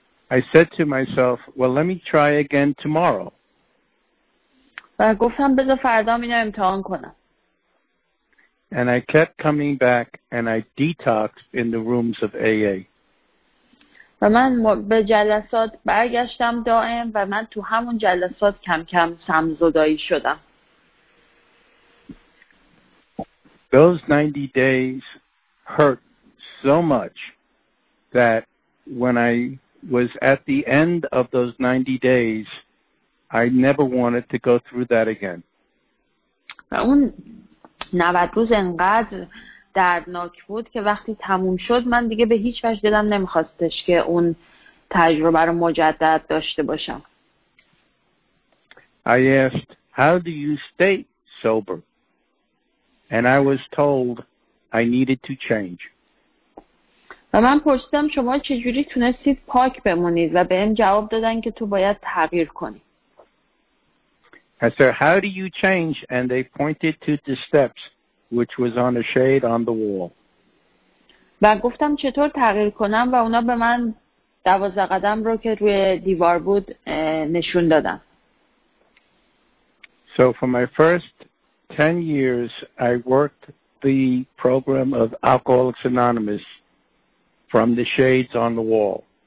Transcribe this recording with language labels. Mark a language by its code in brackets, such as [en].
[en] I said to myself, well, let me try again tomorrow. [fa] و گفتم بذار فردا اینو امتحان کنم. [en] And I kept coming back and I detoxed in the rooms of AA. [fa] و من به جلسات برگشتم دائم و من تو همون جلسات کم کم سمزدایی شدم. [en] Those 90 days hurt so much that when I was at the end of those 90 days, I never wanted to go through that again. [fa] اون 90 روز انقدر دردناک بود که وقتی تموم شد من دیگه به هیچ وجه دلم نمیخواستش که اون تجربه رو مجدد داشته باشم. [en] I asked, how do you stay sober? And I was told I needed to change. [fa] و من پرسیدم شما چجوری تونستید پاک بمونید و بهم جواب دادن که تو باید تغییر کنی. [en] I said, how do you change? And they pointed to the steps, which was on a shade on the wall. [fa] و گفتم چطور تغییر کنم و اونا به من 12 قدم رو که روی دیوار بود نشون دادن. [en] So for my first 10 years, I worked the program of Alcoholics Anonymous from the shades on the wall.